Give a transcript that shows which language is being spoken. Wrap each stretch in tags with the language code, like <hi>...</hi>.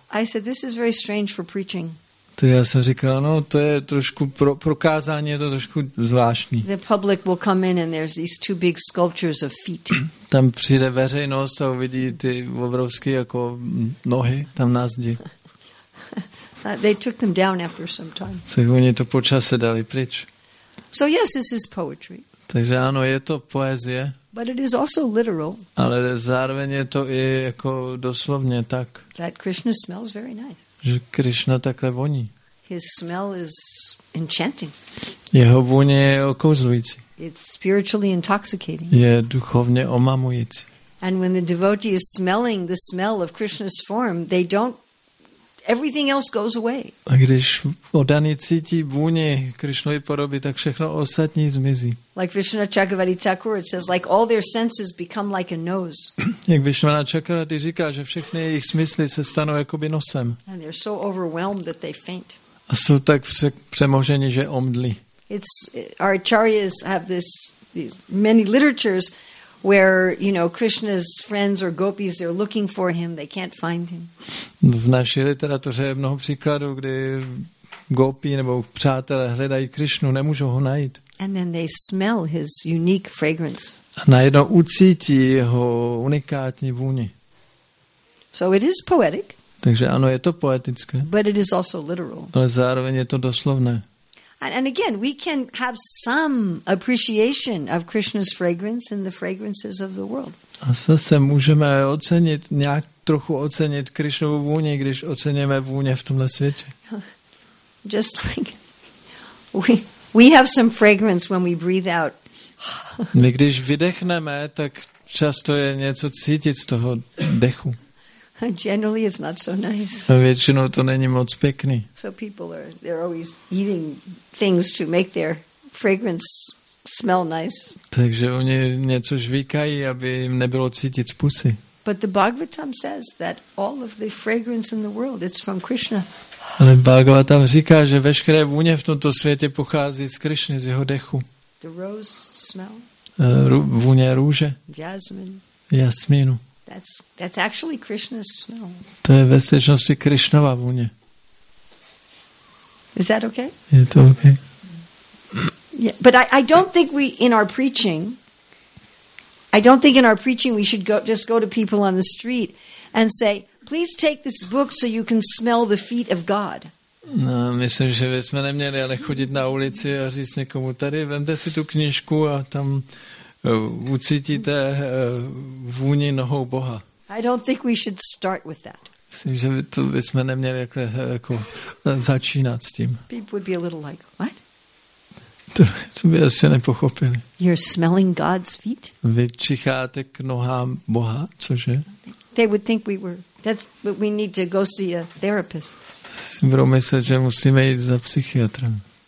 <en>I said, this is very strange for preaching.</en> <cs>To já jsem říkal, no, to je trošku pro kázání, je to trošku zvláštní.</cs> <en>The public will come in and there's these two big sculptures of feet.</en> <cs>Tam přijde veřejnost a uvidí ty obrovské jako nohy tam na zdi.</cs> <en>They took them down after some time.</en> <cs>Tak oni to po čase dali pryč.</cs> <en>So yes, this is poetry.</en> <cs>Takže ano, je to poezie.</cs> <en>But it is also literal.</en> <cs>Ale zároveň je to i jako doslovně tak.</cs> <en>That Krishna smells very nice.</en> <cs>Že Krishna takhle voní.</cs> <en>His smell is enchanting.</en> <cs>Jeho vůně je okouzlující.</cs> <en>It's spiritually intoxicating.</en> <cs>Je duchovně omamující.</cs> <en>And when the devotee is smelling the smell of Krishna's form, they don't. Everything else goes away.</en> <cs>A když oddaný cítí vůni Krishnovy podoby, tak všechno ostatní zmizí.</cs> <en>Like Vishnu Chakravarti Thakur, it says, like all their senses become like a nose.</en> <cs>Jak Vishnu Chakravarti říká, že všechny jejich smysly se stanou jakoby nosem.</cs> <en>And they're so overwhelmed that they faint.</en> <cs>A jsou tak přemoženi, že omdlí.</cs> <en>It's our acharyas have these many literatures where, you know, Krishna's friends or gopis, they're looking for him, they can't find him.</en> <cs>V naší literatuře je mnoho příkladů, kdy gopi nebo přátelé hledají Krishnu, nemůžou ho najít.</cs> <en>And then they smell his unique fragrance.</en> <cs>A najednou ucítí jeho unikátní vůni.</cs> <en>So it is poetic.</en> <cs>Takže ano, je to poetické.</cs> <en>But it is also literal.</en> <cs>Ale zároveň je to doslovné.</cs> <en>And again, we can have some appreciation of Krishna's fragrance and the fragrances of the world.</en> <cs>A zase můžeme ocenit, nějak trochu ocenit Krishnovu vůni, když oceníme vůně v tomhle světě.</cs> <en>Just like we have some fragrance when we breathe out.</en> <cs>My když vydechneme, tak často je něco cítit z toho dechu.</cs> <en>Generally, it's not so nice.</en> <cs>Většinou to není moc pěkný.</cs> <en>So people are they're always eating things to make their fragrance smell nice.</en> <cs>Takže oni něco žvíkají, aby jim nebylo cítit z pusy.</cs> <en>But the Bhagavatam says that all of the fragrance in the world it's from Krishna.</en> <cs>Ale Bhagavatam říká, že veškeré vůně v tomto světě pochází z Krishny, z jeho dechu.</cs> <en>The rose smell.</en> <cs>Vůně růže.</cs> <en>Jasmine.</en> <cs>Jasmínu.</cs> <en>That's actually Krishna's smell.</en> <cs>To je ve skutečnosti Krishnova vůně.</cs> <en>Is that okay?</en> <cs>Je to okay.</cs> <en>Yeah, but I don't think we in our preaching. I don't think in our preaching we should go to people on the street and say, please take this book so you can smell the feet of God.</en> <cs>No, myslím, že bychom neměli ale chodit na ulici a říct někomu tady, vemte si tu knížku a tam. Ucítíte vůni nohou Boha.</cs> <en>I don't think we should start with that.</en> <cs>Myslím, že to bychom neměli jako začínat s tím.</cs> <en>People would be a little like, what?</en> <cs>To by asi nepochopili.</cs> <en>You're smelling God's feet?</en> <cs>Vy čicháte k nohám Boha, cože?</cs> <en>They would think we were. That's what we need to go see a therapist.</en> <cs>Si budou myslet, že musíme jít za psychiatrem.</cs>